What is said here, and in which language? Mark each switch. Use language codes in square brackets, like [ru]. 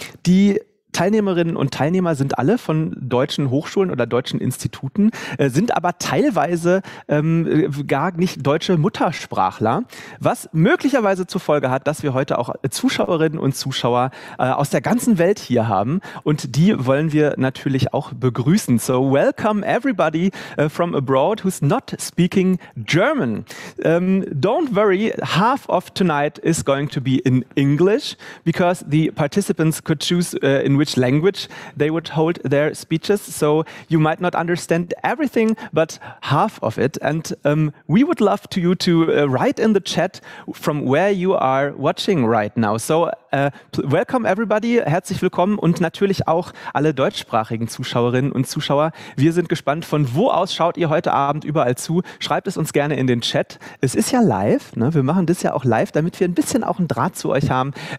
[de] Die Teilnehmerinnen und Teilnehmer sind alle von deutschen Hochschulen oder deutschen Instituten, sind aber teilweise gar nicht deutsche Muttersprachler, was möglicherweise zur Folge hat, dass wir heute auch Zuschauerinnen und Zuschauer aus der ganzen Welt hier haben, und die wollen wir natürlich auch begrüßen. [en] So, welcome everybody from abroad who's not speaking German. Don't worry, half of tonight is going to be in English, because the participants could choose in which language they would hold their speeches, so you might not understand everything, but half of it. And we would love to you to write in the chat from where you are watching right now. So welcome everybody, [de] herzlich willkommen, und natürlich auch alle deutschsprachigen Zuschauerinnen und Zuschauer. Wir sind gespannt, von wo aus schaut ihr heute Abend überall zu. Schreibt es uns gerne in den Chat. Es ist ja live, ne? Wir machen das ja auch live, damit wir ein bisschen auch einen Draht zu euch haben.